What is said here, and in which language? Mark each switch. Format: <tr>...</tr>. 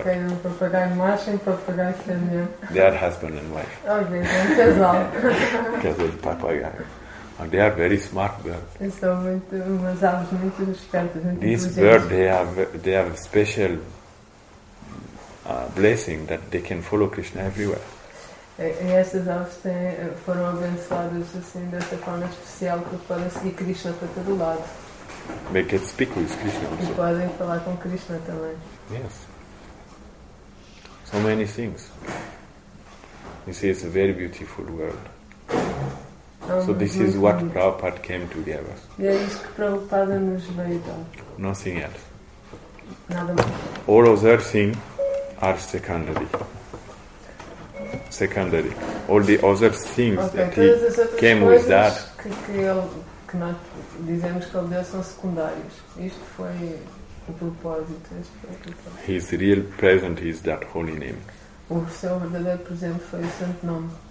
<pt>Okay, um papagaio macho e um papagaio fêmea.</pt> <en>They are husband and wife.</en> <pt>Okay, então casal. Papagaio.</pt> <en>They are very smart birds.</en> <pt>São muito, umas aves muito espertas.</pt> <en>These birds, they have special blessing that they can follow Krishna everywhere.</en> <pt>E essas aves foram abençoadas assim dessa forma especial que podem seguir Krishna para todo lado.</pt> <en>They can speak with Krishna also.</en> <pt>E podem falar com Krishna também.</pt> <en>Yes. So many things. You see, it's a very beautiful world. So this is what Prabhupada came to give us.</en> <pt>E é isso que Prabhupada nos veio dar.</pt> <en>Nothing else.</en> <pt>Nada mais.</pt> <en>All other things are secondary. secondary. All the other things that he came with that.</en> <pt>Que nós dizemos que ele deu são secundários. Isto foi o propósito.</pt> <en>His real present is that holy name.</en> <pt>O seu verdadeiro presente foi o santo nome.</pt>